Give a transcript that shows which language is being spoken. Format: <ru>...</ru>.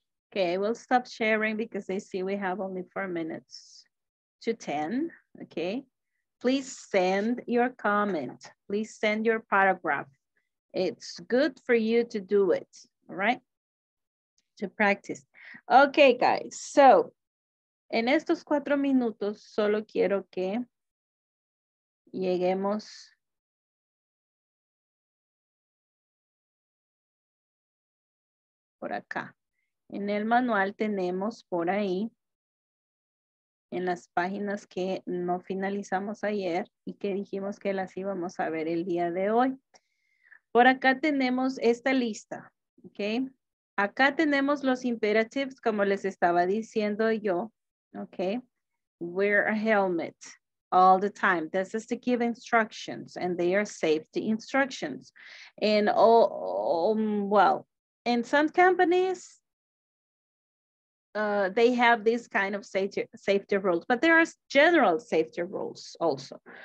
<en>Okay, we'll stop sharing because I see we have only 4 minutes to 10, okay? Please send your comment. Please send your paragraph. It's good for you to do it, all right? To practice. Okay, guys, so</en> <es>en estos 4 minutos, solo quiero que lleguemos. Por acá. En el manual tenemos por ahí, en las páginas que no finalizamos ayer y que dijimos que las íbamos a ver el día de hoy. Por acá tenemos esta lista, ¿ok? Acá tenemos los imperatives, como les estaba diciendo yo, ¿ok?</es> <en>Wear a helmet all the time. This is to give instructions and they are safety instructions. And, in some companies, they have this kind of safety rules, but there are general safety rules also.</en>